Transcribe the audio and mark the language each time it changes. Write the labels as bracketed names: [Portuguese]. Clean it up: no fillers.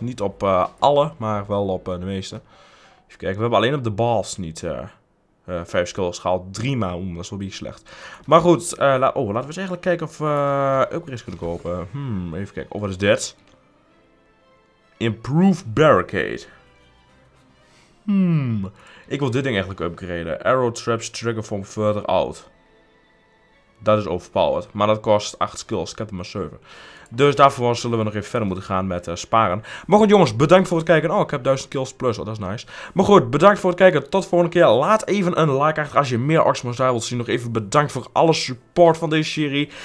[Dutch] Niet op alle, maar wel op de meeste. Even kijken. We hebben alleen op de boss niet 5 skills gehaald. 3 maar. Dat is wel niet slecht. Maar goed. Laten we eens eigenlijk kijken of we upgrades kunnen kopen. Even kijken. Oh, wat is dit? [English] Improved barricade. [Dutch] Ik wil dit ding eigenlijk upgraden. [English] Arrow traps trigger from further out. [Dutch] Dat is overpowered. Maar dat kost 8 skills. Ik heb er maar 7. Dus daarvoor zullen we nog even verder moeten gaan met sparen. Maar goed jongens, bedankt voor het kijken. Oh, ik heb 1000 kills plus. Oh, dat is nice. Maar goed, bedankt voor het kijken. Tot volgende keer. Laat even een like achter als je meer Orcs Must Die wilt zien. Nog even bedankt voor alle support van deze serie.